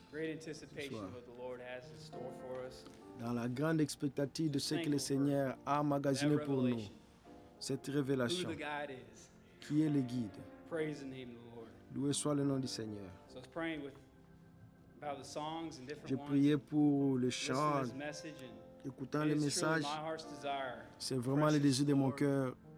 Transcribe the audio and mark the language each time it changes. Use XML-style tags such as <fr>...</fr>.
<en>Great anticipation of what the Lord has in store for us.</en> <fr>Dans la grande expectative de ce que le Seigneur a emmagasiné pour nous. Cette révélation.</fr> <en>Who the guide is.</en> <fr>Qui est le guide.</fr> <en>Praise the name of the Lord.</en> <fr>Loué soit le nom du Seigneur.</fr> <en>So I was praying with about the songs and different</en> <fr>Je priais</fr> <en>ones.</en> <fr>Pour le chant. Écoutant le message. C'est vraiment le désir de mon cœur.</fr>